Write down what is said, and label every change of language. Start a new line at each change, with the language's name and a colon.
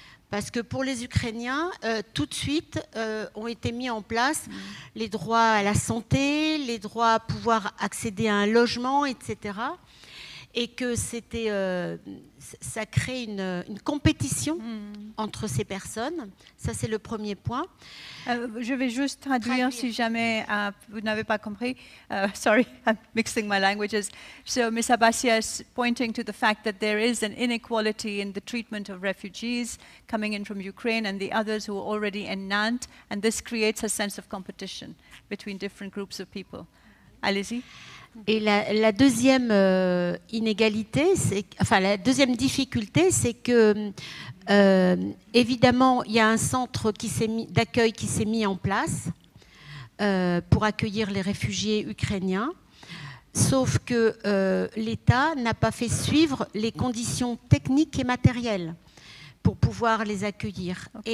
French: Parce que pour les Ukrainiens, tout de suite ont été mis en place les droits à la santé, les droits à pouvoir accéder à un logement, etc. Et que c'était, ça crée une compétition entre ces personnes. Ça, c'est le premier point. Je vais juste traduire si jamais vous n'avez pas compris.
English: Sorry, I'm mixing my languages. So, Ms. Abbasias pointing to the fact that there is an inequality in the treatment of refugees coming in from Ukraine and the others who are already in Nantes, and this creates a sense of competition between different groups of people.
French: Allez-y. Et la deuxième inégalité, la deuxième difficulté, c'est que évidemment, il y a un centre d'accueil qui s'est mis en place pour accueillir les réfugiés ukrainiens, sauf que l'État n'a pas fait suivre les conditions techniques et matérielles pour pouvoir les accueillir. Okay.